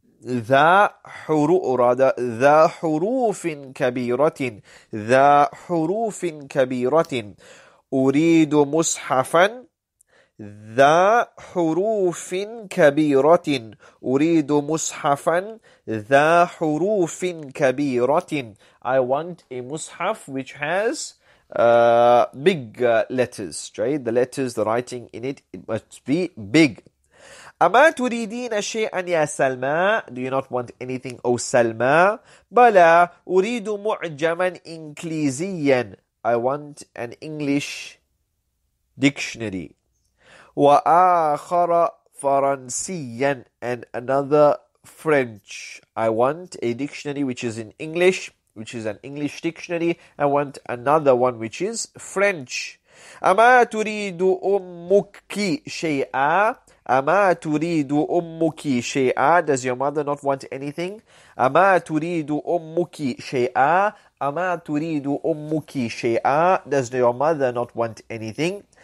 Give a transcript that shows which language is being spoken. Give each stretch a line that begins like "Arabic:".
Arabic: ذا حروف كبيرة. أريد مصحفا ذا حروف كبيرة. أريد مصحفا ذا حروف كبيرة.
English: I want a مصحف which has big letters, right? The letters, the writing in it, it must be big.
Arabic: أما تريدين شيئا يا
English: سلمى؟ Do you not want anything, oh سلمى؟
Arabic: بلى. أريد معجما إنكليزيا.
English: I want an English dictionary.
Arabic: وآخر فرنسيا.
English: And another French. I want a dictionary which is in English, which is an English dictionary. I want another one which is French.
Arabic: أما تريد أمك شيئا؟ أما تريد أمك شيئا؟
English: Does your mother not want anything?
Arabic: أما تريد أمك شيئا؟ أما تريد أمك شيئا؟
English: Does your mother not want anything?